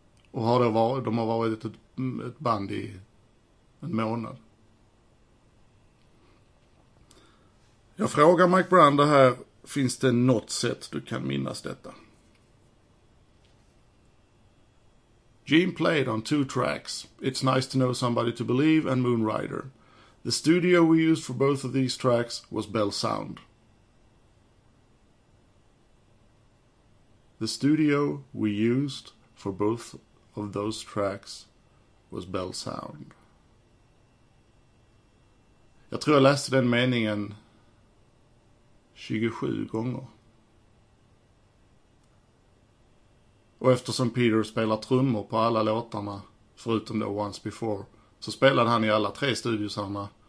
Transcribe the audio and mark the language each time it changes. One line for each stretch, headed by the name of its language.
Swedish: Och har det varit, de har varit ett band i en månad. Jag frågar Mike Brand det här. Finns det något sätt du kan minnas detta?
English: Gene played on 2 tracks. It's Nice to Know Somebody to Believe and Moon Rider. The studio we used for both of these tracks was Bell Sound. The studio we used for both of those tracks was Bell Sound.
Swedish: Jag tror jag läste den meningen 27 gånger. Och eftersom Peter spelar trummor på alla låtarna, förutom då Once Before, så spelade han i alla tre studiosarna.